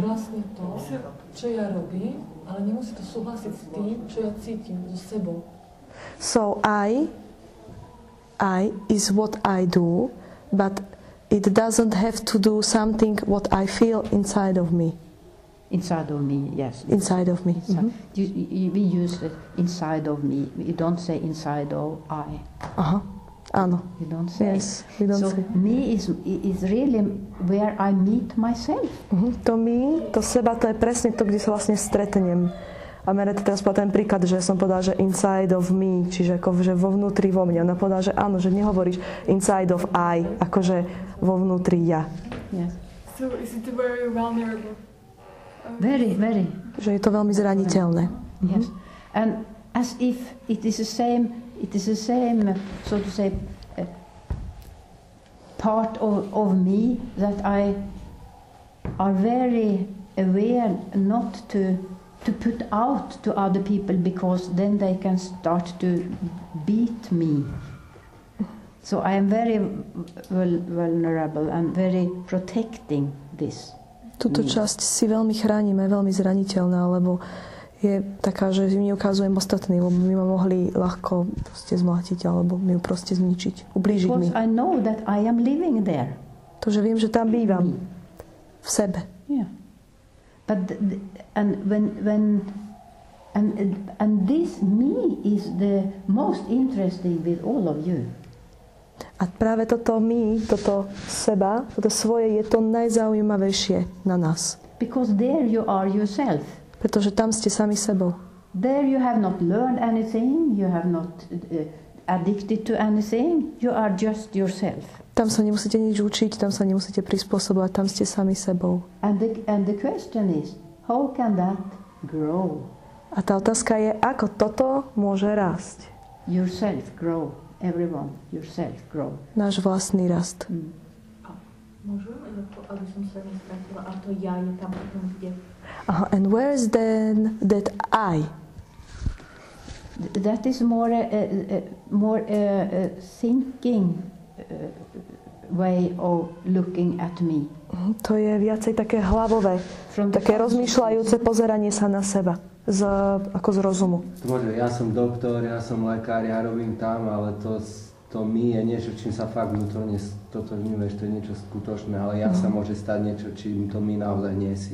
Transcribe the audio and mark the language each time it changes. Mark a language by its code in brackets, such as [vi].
[sk] Ja vlastne to, čo ja robím, ale nemusí to súhlasiť s tým, čo ja cítim so sebou. [en] So I is what I do, but it doesn't have to do something what I feel inside of me. Inside of me, yes. Inside of me. Inside. Mm-hmm. We use it inside of me. You don't say inside of I. [sk] Uh-huh. Ano. [en] You don't say. Yes, we don't so say. Me is really where I meet myself. [sk] To me, to seba, to je presne to, kde sa vlastne stretnem. A Meret teraz povedal ten príklad, že som povedal, že [en] inside of me, [sk] čiže ako, že vo vnútri vo mne. Ona povedal, že áno, že nehovoríš [en] inside of I, [sk] akože vo vnútri ja. [en] Yes. So is it very vulnerable? Very, very. [sk] Že je to veľmi zraniteľné. [en] Yes. Mm-hmm. And as if it is the same, so to say, part of me that I are very aware not to put out to other people because then they can start to beat me. So I am very vulnerable and very protecting this. [sk] Túto časť si veľmi chránim, je veľmi zraniteľná, lebo je taká, že mi ukazujem ostatný, lebo by ma mohli ľahko proste zmlátiť, alebo mi ju proste zničiť, ublížiť [en] because [sk] mi. [en] Because I know that I am living there. [sk] To, že viem, že tam bývam. Me. V sebe. [en] Yeah. But and this me is the most interesting with all of you. [sk] A práve toto my, toto seba, toto svoje je to najzaujímavejšie na nás. [en] Because there you are yourself. [sk] Pretože tam ste sami sebou. [en] There you have not learned anything, you have not addicted to anything, you are just yourself. [sk] Tam sa nemusíte nič učiť, tam sa nemusíte prispôsobovať, tam ste sami sebou. [en] And the question is, how can that grow? [sk] A tá otázka je, ako toto môže rásť? [en] Yourself grow. Everyone, yourself, grow. [sk] Náš vlastný rast. Mm. A môžem, aby som sa nestratila, a to ja je tam, kde. [en] Aha, and where is then that I? That is more thinking way of looking at me. [sk] To je viacej také hlavové, také rozmýšľajúce pozeranie sa na seba. Ako z rozumu. Môže, ja som doktor, ja som lekár, ja robím tam, ale to my je niečo, čím sa fakt vnútorne stotožňuješ, to je niečo skutočné, ale ja sa môže stať niečo, čím to my naozaj nie si.